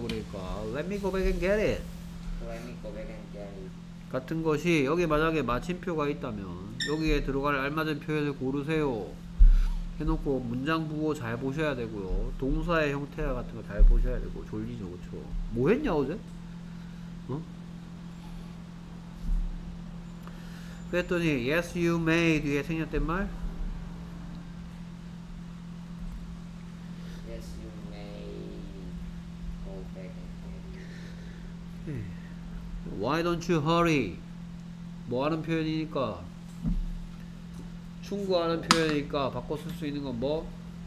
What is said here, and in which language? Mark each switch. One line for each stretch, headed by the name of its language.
Korean: 그러니까
English: Let me go back and get it. Let me go back and get it.
Korean: 같은 것이 여기 만약에 마침표가 있다면 여기에 들어갈 알맞은 표현을 고르세요. 해놓고 문장 부호 잘 보셔야 되고요. 동사의 형태 같은 거 잘 보셔야 되고 졸리죠, 그렇죠? 뭐 했냐 어제? 응? 그랬더니
English: yes you may
Korean: 뒤에 생략된 말
English: yes you may go back and get it. Why don't you hurry?
Korean: 뭐하는 표현이니까 충고하는 표현이니까 바꿔 쓸 수 있는 건 뭐?